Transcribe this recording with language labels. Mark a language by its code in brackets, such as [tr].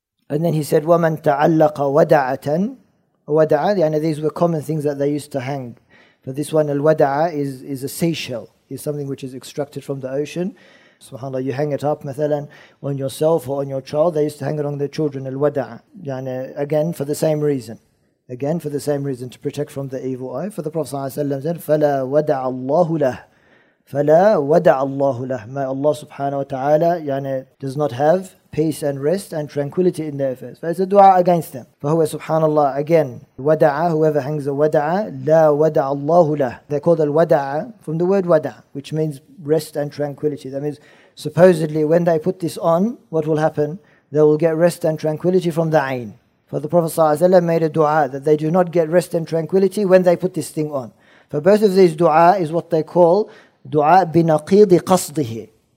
[en] And then he said, [ar] وَمَنْ تَعَلَّقَ وَدَعَةً. [en] وَدَعَةً, يعني these were common things that they used to hang. But this one, الْوَدَعَةً, is a seashell. It's something which is extracted from the ocean. SubhanAllah, you hang it up, مثلاً, on yourself or on your child. They used to hang it on their children, الْوَدَعَةً. يعني, again, for the same reason. Again, for the same reason, to protect from the evil eye. For the Prophet ﷺ said, [ar] فَلَا وَدَعَ اللَّهُ لَهُ. فَلَا وَدَعَ اللَّهُ لَهُ. [en] May Allah subhanahu wa ta'ala, yani, does not have peace and rest and tranquility in their affairs. But it's a dua against them. [ar] فَهُوَ سُبْحَانَ اللَّهُ. Again, وَدَعَ, [en] whoever hangs a [ar] وَدَعَ, لَا وَدَعَ اللَّهُ لَهُ. [en] They call the wada'a from the word wada'a, which means rest and tranquility. That means, supposedly, when they put this on, what will happen? They will get rest and tranquility from the ayn. For the Prophet ﷺ made a dua that they do not get rest and tranquility when they put this thing on. For both of these dua is what they call dua binaqidi qasdihi.